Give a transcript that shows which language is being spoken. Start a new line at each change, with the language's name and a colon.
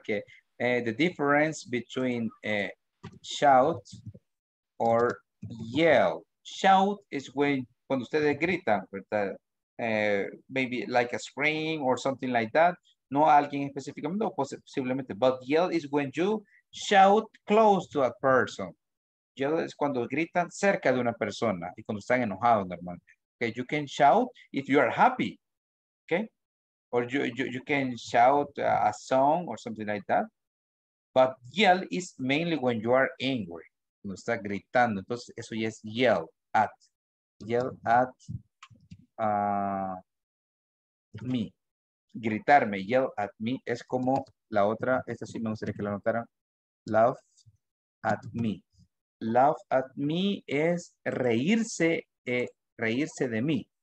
English: Que the difference between shout or yell. Shout is when
Spanish: cuando ustedes gritan, ¿verdad?
English: Maybe like a scream or something like that.
Spanish: No alguien específicamente, no, posiblemente.
English: But yell is when you shout close to a person.
Spanish: Yell es cuando gritan cerca de una persona y cuando están enojados normalmente.
English: Okay, you can shout if you are happy, okay? Or you can shout a song or something like that. But yell is mainly when you are angry.
Spanish: Cuando está gritando, entonces eso ya es yell at.
English: Yell at me.
Spanish: Gritarme,
English: yell at me,
Spanish: es como la otra, esta sí me gustaría que la anotaran.
English: Laugh at me. Laugh at me
Spanish: es reírse, reírse de mí.